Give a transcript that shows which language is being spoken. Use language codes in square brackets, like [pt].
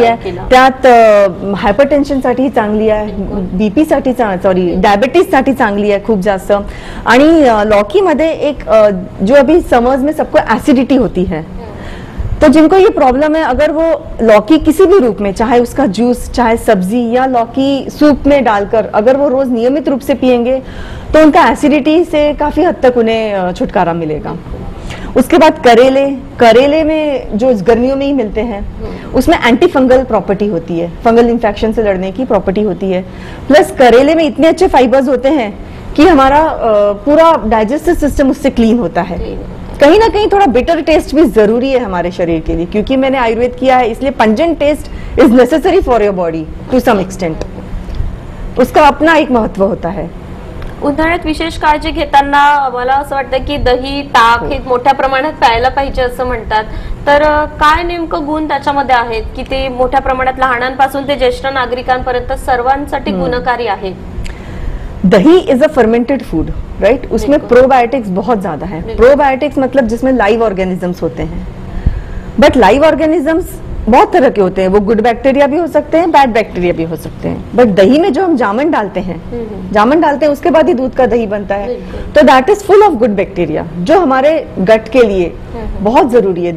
[mr] है, त्यात हायपरटेंशन साठी चांगली आहे, बीपी साठी सॉरी डायबिटीज साठी चांगली आहे खूप जास्त। [hi] आणि लौकी मध्ये एक जो अभी समर्स में सबको एसिडिटी होती है, तो जिनको ये प्रॉब्लम है अगर वो लौकी किसी भी रूप में चाहे उसका जूस चाहे सब्जी या लौकी सूप में डालकर अगर वो रोज नियमित रूप से पिएंगे तो उनका एसिडिटी से काफी हद तक उन्हें छुटकारा मिलेगा। उसके बाद करेले, करेले में जो गर्मियों में ही मिलते हैं उसमें एंटी फंगल प्रॉपर्टी होती है, फंगल इन्फेक्शन से लड़ने की प्रॉपर्टी होती है, प्लस करेले में इतने अच्छे फाइबर्स होते हैं कि हमारा पूरा डाइजेस्टिव सिस्टम उससे क्लीन होता है, कहीं ना कहीं थोड़ा बिटर टेस्ट भी जरूरी है हमारे शरीर के लिए, क्योंकि मैंने आयुर्वेद किया है इसलिए [en] pungent taste is necessary for your body to some extent, [hi] उसका अपना एक महत्व होता है. [mr] उन्हाळ्यात विशेष काळजी घेताना मला असं वाटतं की दही ताक हे मोठ्या प्रमाणात प्यायला पाहिजे असं म्हणतात, तर काय नेमकं गुण त्याच्यामध्ये आहेत की ते मोठ्या प्रमाणात लहानांपासून ते ज्येष्ठ नागरिकांपर्यंत सर्वांसाठी गुणकारी आहे? [en] dahi is a fermented food right, [hi] उसमें प्रोबायोटिक्स बहुत ज्यादा है. प्रोबायोटिक्स मतलब जिसमें लाइव ऑर्गेनिजम्स होते हैं, बट लाइव ऑर्गेनिजम्स बहुत तरह के होते हैं, वो गुड बैक्टीरिया भी हो सकते हैं, बैड बैक्टीरिया भी हो सकते हैं. बट दही में जो हम जामन डालते हैं उसके बाद ही दूध का दही बनता है, तो [en] that is full of good bacteria [hi] जो हमारे गट के लिए बहुत जरूरी है.